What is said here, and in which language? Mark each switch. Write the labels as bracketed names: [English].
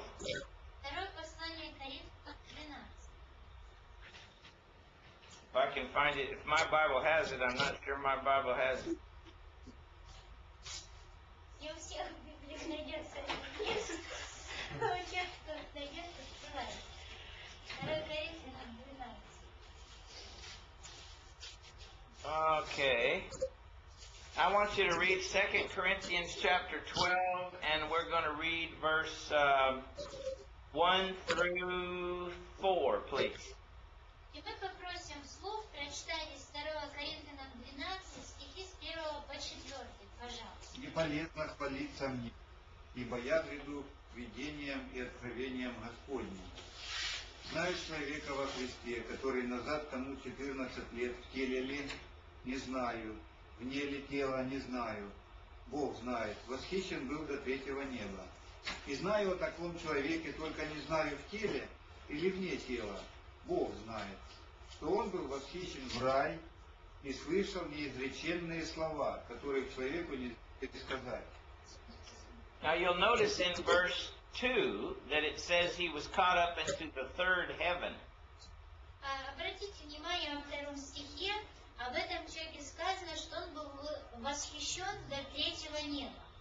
[Russian] Второе послание Коринфянам 12. [English] If I can find it, if my Bible has it, I'm not sure my Bible has it. [Russian] Не у всех Библии найдется место. У тех, кто найдется, открывает. Второе Коринфянам 12. [English] Okay. I want you to read 2 Corinthians chapter 12, and we're going to read verse 1 through 4, please. [Russian] И мы попросим слов прочитать из 2 Коринфянам 12, стихи с 1 по 4, пожалуйста. Не полезно хвалиться мне, ибо я приду видением и откровением Господним. Знаю человека во Христе, который назад тому 14 лет в теле ли, не знаю. Вне ли тело, не знаю. Бог знает. Восхищен был до третьего неба. И знаю о таком человеке, только не знаю, в теле или вне тела. Бог знает, что он был восхищен в рай и слышал неизреченные слова, которых человеку не сказать. [English] Now you'll notice in verse 2 that it says he was caught up into the third heaven. [Russian] Обратите внимание во втором стихе. Об этом человеке сказано, что он был восхищен до третьего неба.